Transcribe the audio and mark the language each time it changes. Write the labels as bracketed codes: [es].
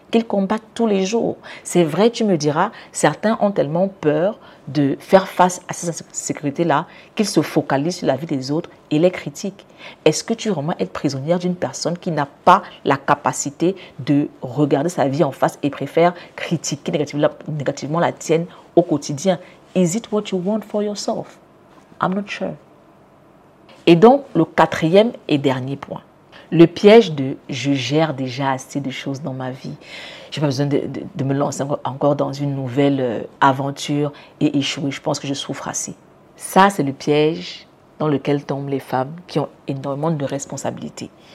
[fr] qu'ils combattent tous les jours. C'est vrai, tu me diras, certains ont tellement peur de faire face à cette insécurité-là qu'ils se focalisent sur la vie des autres et les critiquent. Est-ce que tu veux vraiment être prisonnière d'une personne qui n'a pas la capacité de regarder sa vie en face et préfère critiquer négativement la tienne au quotidien? [en] Is it what you want for yourself? I'm not sure. [fr] Et donc, le quatrième et dernier point. Le piège de « je gère déjà assez de choses dans ma vie. Je n'ai pas besoin de me lancer encore dans une nouvelle aventure et échouer. Je pense que je souffre assez. » Ça, c'est le piège dans lequel tombent les femmes qui ont énormément de responsabilités.